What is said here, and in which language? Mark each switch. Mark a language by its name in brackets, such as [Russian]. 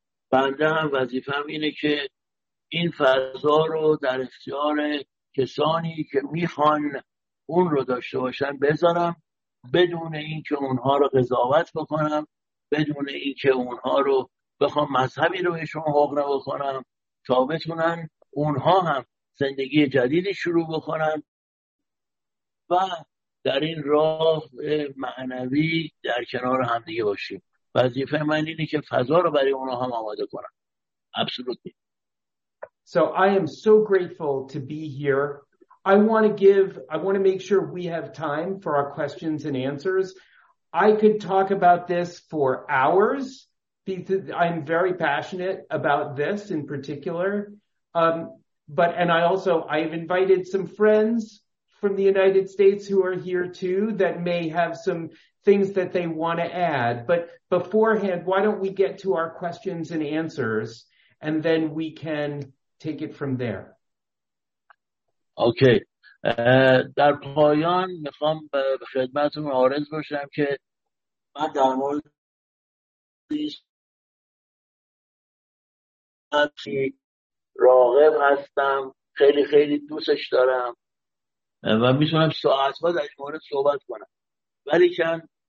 [Persian] بنده هم وظیفه‌ام اینه که این فضا رو در اختیار کسانی که میخوان اون رو داشته باشن بذارم، بدون این که اونها رو قضاوت بکنم، بدون این که اونها رو بخوام مذهبی رو بهشون حقنه بکنم، تا بتونن اونها هم زندگی جدید شروع بکنن و در این راه معنوی در کنار هم دیگه باشیم. وظیفه من اینه که فضا رو برای اونها هم آماده کنم. [English] Absolutely. So I am so grateful to be here. I want to make sure we have time for our questions and answers. I could talk about this for hours. I'm very passionate about this in particular. I've invited some friends from the United States who are here too that may have some things that they want to add. But beforehand, why don't we get to our questions and answers? and then we can take it from there. Okay. [Persian] در پایان میخوام به خدمتتون عرض بشم که من در مورد خیلی راغب هستم، خیلی خیلی دوستش دارم و میتونم ساعت‌ها در این مورد صحبت کنم، ولی که